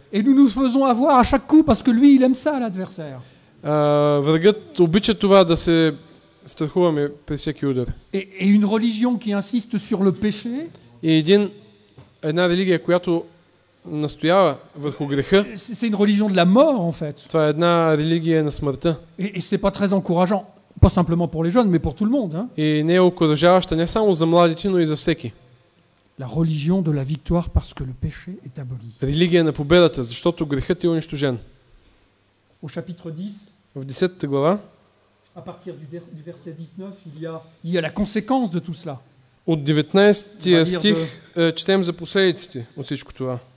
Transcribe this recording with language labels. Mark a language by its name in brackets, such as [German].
[French] Et nous nous faisons avoir à chaque coup parce que lui il aime ça l'adversaire. [Bulgarian] Врагът обича това да се страхуваме при всеки удар. [French] Et une religion qui insiste sur le péché. [Bulgarian] И една религия, която настоява върху греха. [French] C'est une religion de la mort en fait. [Bulgarian] Това е една религия на смъртта. [French] Et c'est pas très encourageant, pas simplement pour les jeunes, mais pour tout le monde, hein. [Bulgarian] И не е окуражаваща не само за младите, но и за всеки. [French] La religion de la victoire parce que le péché est aboli. [Bulgarian] Религия на победата, защото грехът е унищожен. [French] Au chapitre 10. [Bulgarian] В 10-та глава. [French] À partir du verset 19, il y a la conséquence de tout cela. [Bulgarian] От 19-тия стих четем за последиците от всичко това.